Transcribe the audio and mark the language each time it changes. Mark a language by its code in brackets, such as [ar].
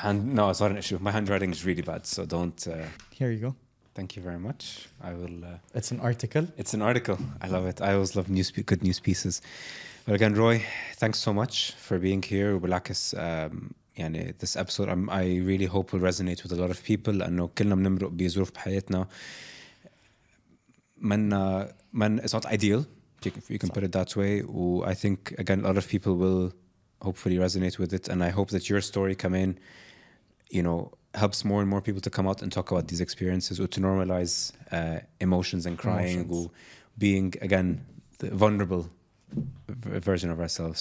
[en] No, it's not an issue. My handwriting is really bad, so don't. Here you go. Thank you very much. I will. It's an article. I love it. I always love good news pieces. But again, Roy, thanks so much for being here. Bilakis, this episode, I really hope will resonate with a lot of people. I know [ar] كلنا بنمرق بظروف بحياتنا. [en] It's not ideal, if you can put it that way. I think, again, a lot of people will hopefully resonate with it. And I hope that your story coming, you know, helps more and more people to come out and talk about these experiences, or to normalize emotions and crying, or being, again, the vulnerable version of ourselves.